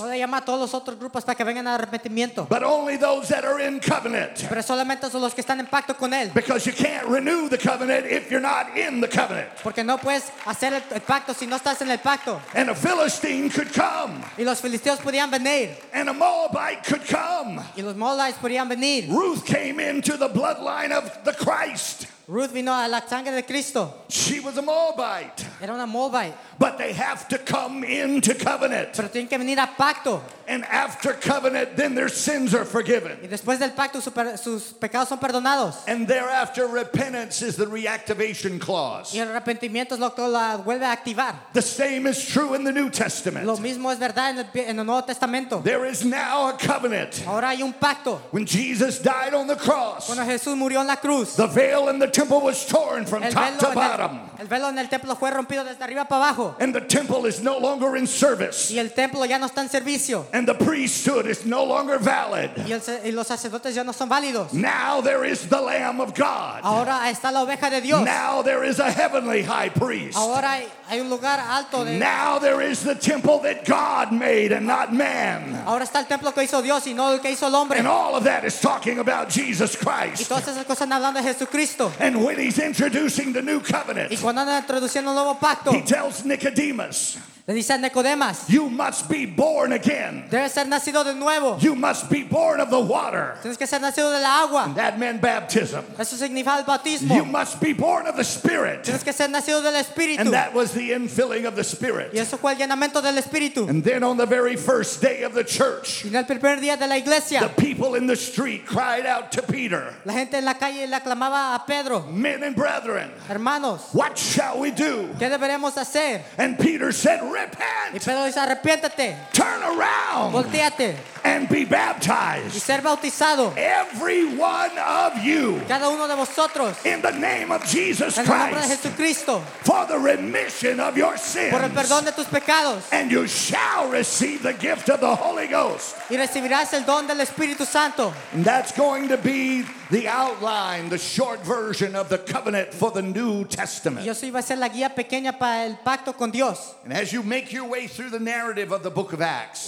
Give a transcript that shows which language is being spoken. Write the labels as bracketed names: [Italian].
[Spanish] No le llama a todos los otros grupos para que vengan a arrepentimiento. [English] But only those that are in covenant. [Spanish] Pero solamente son los que están en pacto con él. [English] Because you can't renew the covenant if you're not in the covenant. [Spanish] Porque no puedes hacer el pacto si no estás en el pacto. [English] And a Philistine could come. [Spanish] Y los filisteos podían venir. [English] And a Moabite could come. [Spanish] Y los Moabites podían venir. [English] Ruth came into the bloodline of the Christ. [Spanish] Ruth vino a la sangre de Cristo. [English] She was a Moabite. [Spanish] Era una Moabite. [English] But they have to come into covenant. [Spanish] Pero tienen que venir a pacto. [English] And after covenant, then their sins are forgiven. [Spanish] Y después del pacto, sus pecados son perdonados. [English] And thereafter, repentance is the reactivation clause. [Spanish] Y el arrepentimiento es lo que la vuelve a activar. [English] The same is true in the New Testament. [Spanish] Lo mismo es verdad en el Nuevo Testamento. [English] There is now a covenant. [Spanish] Ahora hay un pacto. [English] When Jesus died on the cross, [Spanish] cuando Jesús murió en la cruz, [English] the veil in the temple was torn from top to bottom. [Spanish] El velo en el templo fue rompido desde arriba para abajo. [English] And the temple is no longer in service. [Spanish] Y el templo ya no está en servicio. [English] And the priesthood is no longer valid. [Spanish] Y los sacerdotes ya no son válidos. [English] Now there is the Lamb of God. [Spanish] Ahora está la oveja de Dios. [English] Now there is a heavenly high priest. [Spanish] Ahora hay un lugar alto de. [English] Now there is the temple that God made and not man. [Spanish] Ahora está el templo que hizo Dios y no el que hizo el hombre. [English] And all of that is talking about Jesus Christ. [Spanish] Y todas esas cosas están hablando de Jesucristo. [English] And when he's introducing the new covenant, [Spanish] y cuando anda introduciendo el nuevo pacto, [English] he tells Nicodemus, [Spanish] le dice a Nicodemas, [English] you must be born again. [Spanish] Debes ser nacido de nuevo. [English] You must be born of the water. [Spanish] Tienes que ser nacido de la agua. [English] And that meant baptism. [Spanish] Eso significa el bautismo. [English] You must be born of the Spirit. [Spanish] Tienes que ser nacido del Espíritu. [English] And that was the infilling of the Spirit. [Spanish] Y eso fue el llenamiento del Espíritu. [English] And then on the very first day of the church, [Spanish] y en el primer día de la iglesia, [English] the people in the street cried out to Peter, [Spanish] la gente en la calle le aclamaba a Pedro, [English] men and brethren, [Spanish] hermanos, [English] what shall we do? [Spanish] ¿Qué deberemos hacer? [English] And Peter said, repent. Turn around. [Spanish] Volteate. [English] And be baptized. [Spanish] Y ser bautizado. [English] Every one of you. [Spanish] Cada uno de vosotros. [English] In the name of Jesus Christ. [Spanish] En el nombre de Jesucristo. [English] For the remission of your sins. [Spanish] Por el perdón de tus pecados. [English] And you shall receive the gift of the Holy Ghost. [Spanish] Y recibirás el don del Espíritu Santo. [English] And that's going to be the outline, the short version of the covenant for the New Testament. [Spanish] Y eso iba a ser la guía pequeña para el pacto con Dios. [English] And as you make your way through the narrative of the book of Acts,